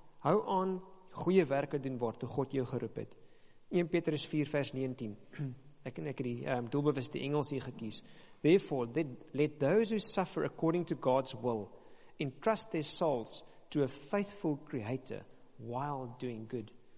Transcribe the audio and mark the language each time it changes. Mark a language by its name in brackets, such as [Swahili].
[Afrikaans] Hou aan goeie werke doen waartoe God jou geroep het. 1 Petrus 4 vers 19. Ek het die doelbewuste Engels hier gekies. [English] Therefore, let those who suffer according to God's will entrust their souls to a faithful creator while doing good.